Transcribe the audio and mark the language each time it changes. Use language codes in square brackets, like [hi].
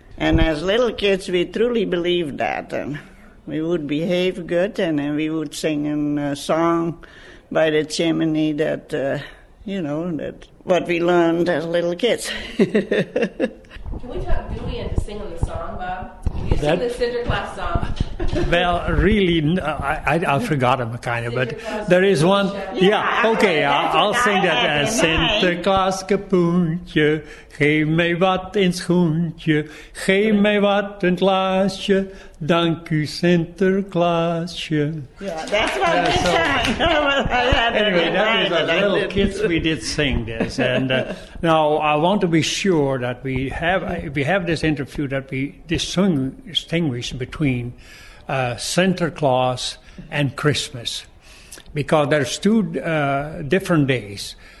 [en] And as little kids, we truly believed that. And we would behave good, and then we would sing a song by the chimney that, you know, that what we learned as little kids. Can we talk Dewey into singing the song, Bob? You sing the Sinterklaas song. Well, really, I forgot him kind of, but there is one. I'll sing that. [nl] Sinterklaas kapoentje, geef mij wat in schoentje, geef mij wat in het laasje, dank u Sinterklaasje. [en] Yeah, that's what we sang. Anyway, that was as little kids we did sing this. And now I want to be sure that we have this interview, that we distinguish between Sinterklaas and Christmas, because there's two different days.